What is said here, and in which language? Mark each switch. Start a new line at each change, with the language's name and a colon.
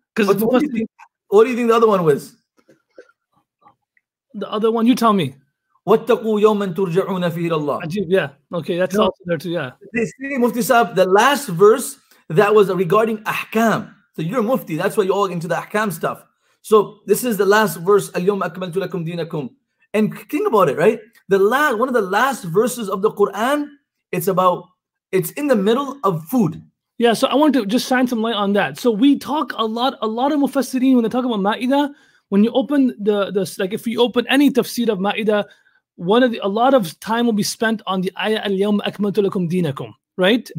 English: What do you think the other one was? The other one, you tell me.
Arabic: وَاتَّقُوا يَوْمًا تُرْجَعُونَ فِيهِ اللَّهِ.
English: Yeah, okay, that's also there too, yeah. They say, Mufti Saab, the last verse that was regarding ahkam. So you're a Mufti, that's why you're all into the ahkam stuff. So this is the last verse,
Arabic: اليوم أكملت لكم دينكم.
English: And think about it, right? One of the last verses of the Quran, it's in the middle of food. Yeah, so I want to just shine some light on that. So we talk a lot of Mufassirin, when they talk about Ma'idah, when you open like if you open any tafsir of Ma'idah, a lot of time will be spent on the ayah
Arabic: al-yawm akmaltu lakum dinakum,
English: right?